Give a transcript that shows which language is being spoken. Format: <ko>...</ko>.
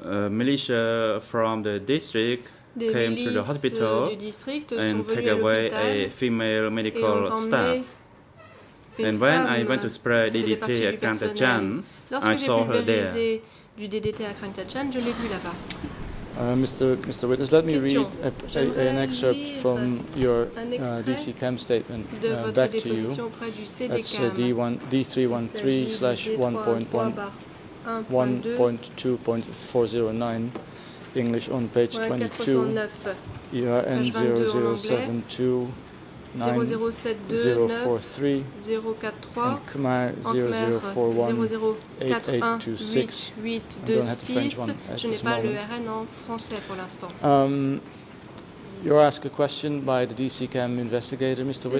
<en>militia from the district came to the hospital and took away a female medical staff. And when I went to spray DDT at Krang Tachan, I saw her there.</en> <fr>Du DDT à Krang Tachan, je l'ai vue là-bas.</fr> <en>Mr. Witness, let me read an excerpt from your DC CAM statement back to you. That's D313/1.2.409, English on page 22, you ask a question by the DC CAM investigator, Mr.</en>